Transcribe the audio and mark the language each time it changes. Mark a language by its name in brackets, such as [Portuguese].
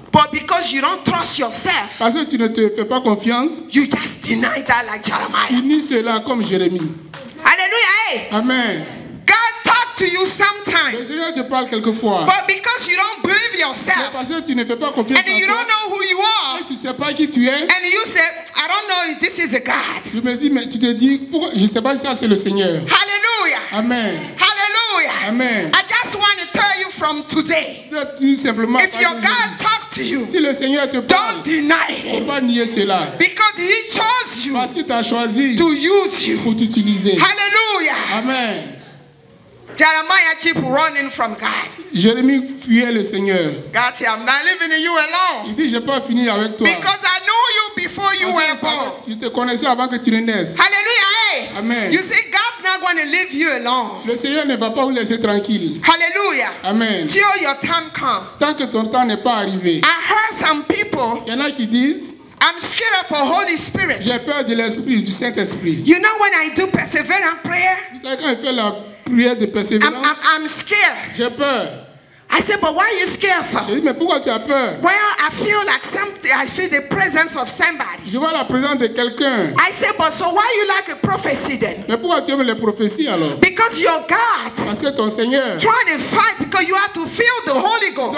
[English] But because you don't trust yourself, [French] parce que tu ne te fais pas confiance, [English] you just deny that like Jeremiah. [French] Tu nies cela comme Jérémie. Alléluia. Hey. Amen. [English] God talk to you sometimes. [French] Le Seigneur te parle quelquefois. [English] But because you don't believe yourself, [French] mais parce que tu ne fais pas confiance en toi, [English] and you don't know who you are, [French] et tu sais pas qui tu es, [English] and you say, I don't know if this is a God. [French] Je me dis, mais tu te dis, pourquoi? Je sais pas si ça c'est le Seigneur. Alléluia. Amen. Alléluia. Amen. [English] I just want to tell you from today. [French] Je te dis simplement. [English] If your God talks. [French] Si le Seigneur te parle, [English] don't deny him. [French] Faut pas nier cela. [English] Because he chose you. [French] Parce qu'il t'a choisi. [English] To use you. [French] Pour t'utiliser. Hallelujah. Amen. [English] Jeremiah keep running from God. [French] Jérémie fuyait le Seigneur. [English] God said, I'm not leaving you alone. [French] Il dit, j'ai pas fini avec toi. [English] Because I know you before you were born. [French] Je te connaissais avant que tu ne naisses. Hallelujah. Amen. [English] You see, God not going to leave you alone. [French] Le Seigneur ne va pas vous laisser tranquille. Hallelujah. Amen. [English] Till your time come. [French] Tant que ton temps n'est pas arrivé. [English] I heard some people. [French] Il y en a qui disent. [English] I'm scared of the Holy Spirit. [French] J'ai peur de l'Esprit, du Saint-Esprit. [English] You know when I do perseverance prayer? [French] Vous savez quand je fais la prière de persévérance? [English] I'm scared. [French] J'ai peur. [English] I said, but why are you scared for? [French] J'ai dit, mais pourquoi tu as peur? [English] Well, I feel like something. I feel the presence of somebody. [French] Je vois la présence de quelqu'un. [English] I said, but so why you like a prophecy then? [French] Mais pourquoi tu aimes les prophéties alors? [English] Because your God. [French] Parce que ton Seigneur. [English] Trying to fight because you have to feel the Holy Ghost.